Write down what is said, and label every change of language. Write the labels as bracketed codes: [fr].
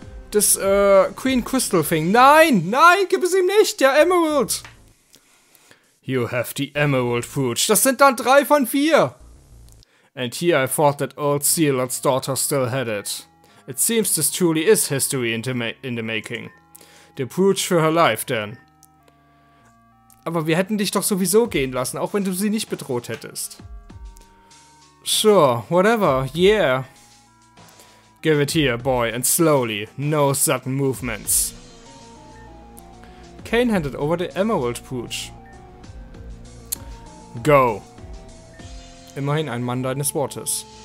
[de] Das, [en] Queen Crystal thing. [de] Nein! Nein, gib es ihm nicht! Der Emerald! [en] You have the Emerald Fruit. [de] Das sind dann 3 von 4! [en] And here I thought that old Sealot's daughter still had it. It seems this truly is history in the making. The Brooch for her life, then. [de] Aber wir hätten dich doch sowieso gehen lassen, auch wenn du sie nicht bedroht hättest. [en] Sure, whatever, yeah. Give it here, boy, and slowly, no sudden movements. Kane handed over the Emerald Brooch. Go. [de] Immerhin ein Mann deines Wortes.